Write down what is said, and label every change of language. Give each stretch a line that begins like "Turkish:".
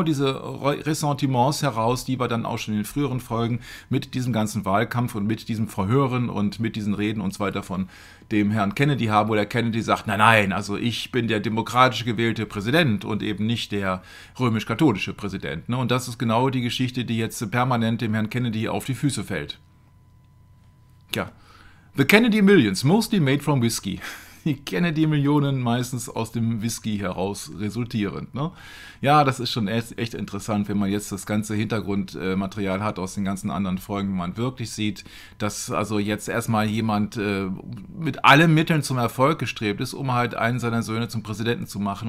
German: genau diese Ressentiments heraus, die wir dann auch schon in den früheren Folgen mit diesem ganzen Wahlkampf und mit diesem Verhören und mit diesen Reden und so weiter von dem Herrn Kennedy haben, wo der Kennedy sagt, nein, nein, also ich bin der demokratisch gewählte Präsident und eben nicht der römisch-katholische Präsident. Und das ist genau die Geschichte, die jetzt permanent dem Herrn Kennedy auf die Füße fällt.
English: Tja, the Kennedy Millions, mostly made from whiskey.
German: Die Kennedy-Millionen meistens aus dem Whisky heraus resultierend. Ne? Ja, das ist schon echt interessant, wenn man jetzt das ganze Hintergrundmaterial hat aus den ganzen anderen Folgen, wenn man wirklich sieht, dass also jetzt erstmal jemand mit allen Mitteln zum Erfolg gestrebt ist, um halt einen seiner Söhne zum Präsidenten zu machen.